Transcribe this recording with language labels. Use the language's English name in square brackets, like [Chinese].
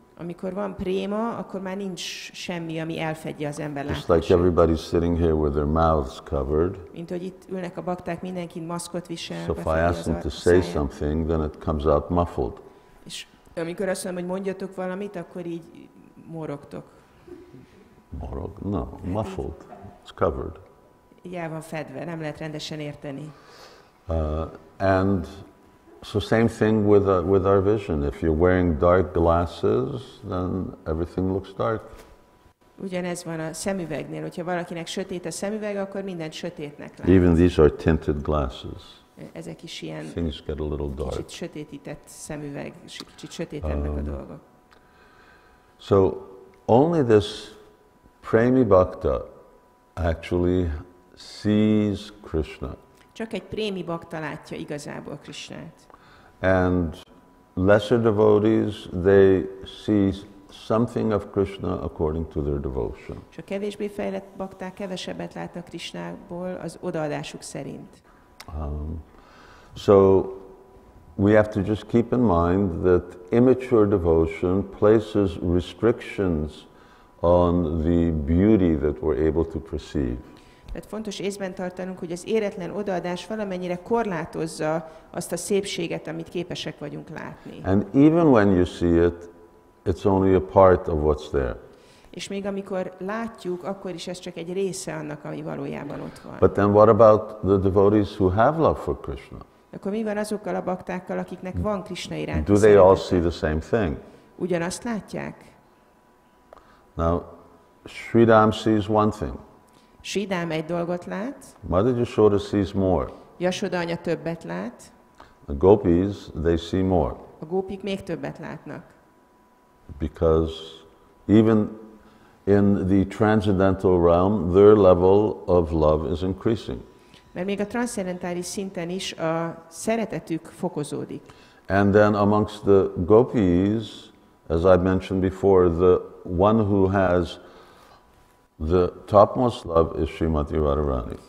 [Hungarian] Amikor van prema, akkor már nincs semmi, ami elfedje az ember látását. [English] Just like everybody's sitting here with their mouths covered. [Hungarian] Mint hogy itt ülnek a bakták, mindenki maszkot visel. [English] So if I ask them to say something, then it comes out muffled. [Hungarian] És amikor azt mondom, hogy mondjatok valamit, akkor így morogtok. Morog? [English] No, muffled. It's covered. [Hungarian] Így el van fedve, nem lehet rendesen érteni. [English] And so same thing with our vision. If you're wearing dark glasses, then everything looks dark. [Hungarian] Ugyanez van a szemüvegnél, hogyha valakinek sötét a szemüveg, akkor minden sötétnek lát. [English] Even these are tinted glasses. [Hungarian] Ezek is ilyen. [English] Things get a little dark. [Hungarian] Kicsit sötétített szemüveg, kicsit sötétebbek a dolgok. [English] So only this prémi bhakta actually sees Krishna. [Hungarian] Csak egy prémi bakta látja igazából Krishnát. [English] And lesser devotees, they see something of Krishna according to their devotion. [Hungarian] És a kevésbé fejlett bakták kevesebbet látnak Krishnából az odaadásuk szerint. [English] So we have to just keep in mind that immature devotion places restrictions on the beauty that we're able to perceive. [Hungarian] Tehát fontos észben tartanunk, hogy az éretlen odaadás valamennyire korlátozza azt a szépséget, amit képesek vagyunk látni. [English] And even when you see it, it's only a part of what's there. [Hungarian] És még amikor látjuk, akkor is ez csak egy része annak, ami valójában ott van. [English] But then what about the devotees who have love for Krishna? [Hungarian] Akkor mi van azokkal a baktákkal, akiknek van Krishna iránti szeretet? [English] Do they all see the same thing? [Hungarian] Ugyanazt látják? [English] Now, Sridham sees one thing. [Hungarian] Sridham egy dolgot lát. [English] Mother Yashoda sees more. [Hungarian] Yashoda anya többet lát. [English] The gopis, they see more. [Hungarian] A gópik még többet látnak. [English] Because even in the transcendental realm, their level of love is increasing. [Hungarian] Mert még a transzcendentális szinten is a szeretetük fokozódik. [English] And then amongst the gopis, as I mentioned before, the one who has the topmost love is Srimati Radharani.